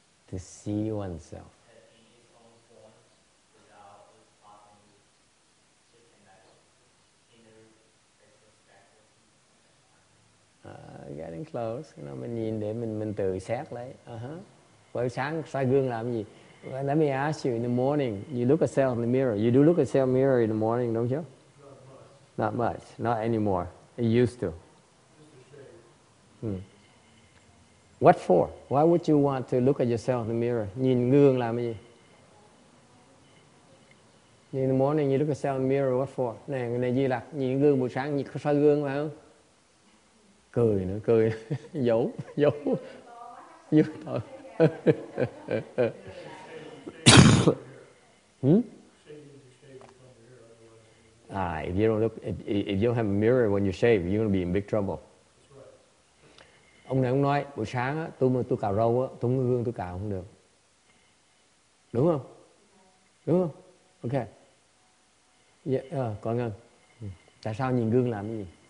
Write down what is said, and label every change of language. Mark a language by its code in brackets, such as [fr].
[en] ？To see oneself. Getting close. [vi] You know, mình nhìn để mình tự xét lấy. Buổi sáng soi gương làm gì? [en] Well, let me ask you, in the morning, you look at yourself in the mirror. You do look at yourself in the mirror in the morning, don't you? Not much. Not much. Not anymore. You used to. Just to shave. What for? Why would you want to look at yourself in the mirror? [vi] Nhìn gương làm gì? [en] In the morning, you look at yourself in the mirror, what for? [vi] Này, này gì là? Nhìn gương buổi sáng, nhìn soi gương phải không? Cười nữa, cười. Giấu, giấu. Giấu thôi. [en] If you don't look, if you don't have a mirror when you shave, you're gonna be in big trouble. Right. [vi] Ông này ông nói buổi sáng á, tôi cạo râu á, tôi ngưng gương tôi cạo không được. Đúng không? Đúng không? Ok. Yeah, có nghe. Tại sao nhìn gương làm cái gì?